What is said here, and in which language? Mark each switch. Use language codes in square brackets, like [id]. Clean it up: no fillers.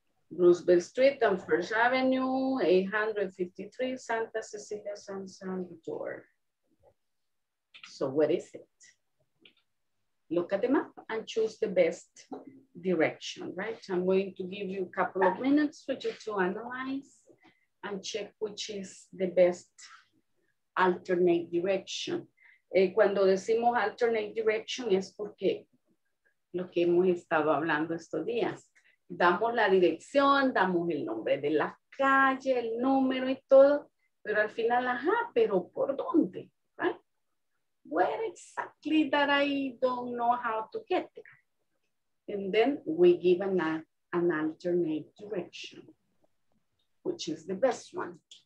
[en] Roosevelt Street and First Avenue, 853 Santa Cecilia, San Salvador. So what is it? Look at the map and choose the best direction, right? I'm going to give you a couple of minutes for you to analyze and check which is the best alternate direction. [es] Cuando decimos alternate direction es porque lo que hemos estado hablando estos días. Damos la dirección, damos el nombre de la calle, el número y todo, pero al final, ajá, pero ¿por dónde? [en] Right? Where exactly that I don't know how to get there? And then we give an alternate direction, which is the best one.